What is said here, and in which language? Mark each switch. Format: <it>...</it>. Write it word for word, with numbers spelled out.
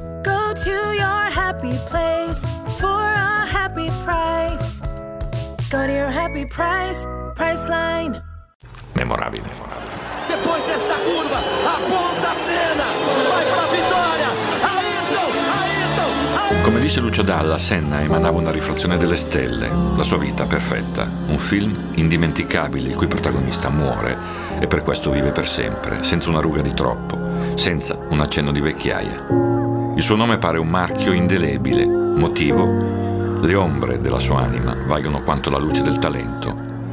<en>Go to your happy place for a happy price. Go to your happy price, Priceline.</en> <it>Memorabile.</it> <pt>Depois desta curva, aponta a Senna, vai pra vitória. Ayrton, Ayrton, Ayrton.</pt> <it>Come dice Lucio Dalla, Senna emanava una riflessione delle stelle, la sua vita perfetta, un film indimenticabile il cui protagonista muore e per questo vive per sempre, senza una ruga di troppo, senza un accenno di vecchiaia. Il suo nome pare un marchio indelebile, motivo? Le ombre della sua anima valgono quanto la luce del talento.</it>